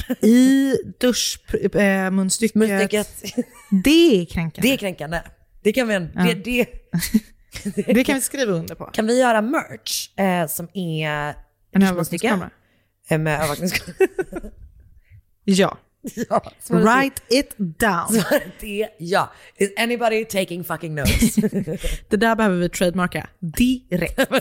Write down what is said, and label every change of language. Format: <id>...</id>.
<sv>I duschmunstycket. Munstycket. Det är kränkande. Det är kränkande. Det kan vi, det kan vi skriva under på. Kan vi göra merch som är en övervakningskamera? Med övervakningskamera. Ja.</sv> <en>Write it down.</en> <sv>Det, ja.</sv> <en>Is anybody taking fucking notes?</en> <sv>Det där behöver vi trademarka direkt.</sv>